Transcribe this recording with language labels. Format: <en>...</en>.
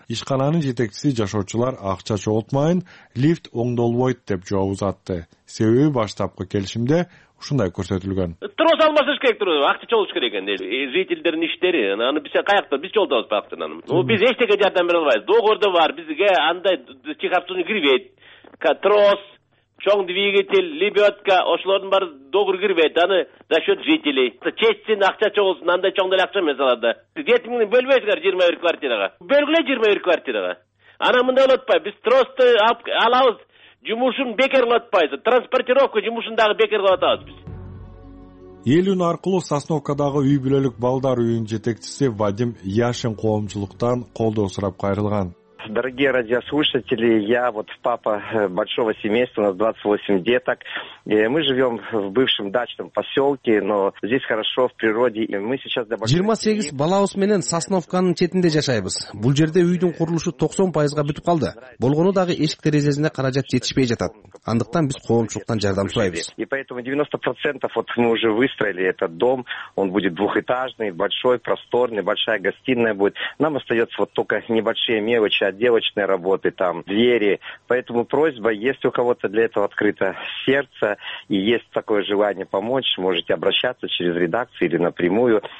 <ky>Ишкананын жетекчиси жашоочулар акча чогултмайын, лифт оңдолбойт деп жооп узатты. Себеби баштапкы келишимде ушундай көрсөтүлгөн. Трос алмашыш керек турду, акча чогултуш керек экен дейт. Жителдердин иштери, аны биз каякта биз чогултабыз бактын аны. Биз эчтеке жардам бере албайбыз. Догордо бар, бизге андай чыгартууну кирбейт. Трос, чоң двигатель, лебедка, ошолордун баары догур кирбейт, аны</ky> <ru>за счет жителей.</ru> <ky>Чечсин, акча чогултсун, андай чоң деле акча эмес аларда. 7000 бөлбөйсүңөр 21 квартирага. Бөлгүлө 21 квартирага. Анан мындай болуп атпайбы, биз тросту алабыз, жумушун бекер кылып атпайбыз, транспортировка жумушун дагы бекер кылып атабыз биз. Эл үн аркылуу Сосновкадагы үй бүлөлүк балдар үйүнүн жетекчиси Вадим Яшин коомчулуктан колдоо сурап кайрылган.</ky> <ru>Дорогие радиослушатели, я вот папа большого семейства, у нас 28 деток. Мы живем в бывшем дачном поселке, но здесь хорошо, в природе. И мы сейчас</ru> <ky>28 балабыз менен Сосновканын четинде жашайбыз. Бул жерде үйдүн курулушу 90% бүтүп калды. Болгону дагы эшик терезесине каражат жетишпей жатат. Андыктан биз коомчулуктан жардам сурайбыз.</ky> <ru>И поэтому 90% вот мы уже выстроили этот дом. Он будет двухэтажный, большой, просторный, большая гостиная будет. Нам остается вот только небольшие мелочи. Отделочной работы, там, двери. Поэтому просьба, если у кого-то для этого открыто сердце и есть такое желание помочь, можете обращаться через редакцию или напрямую.</ru>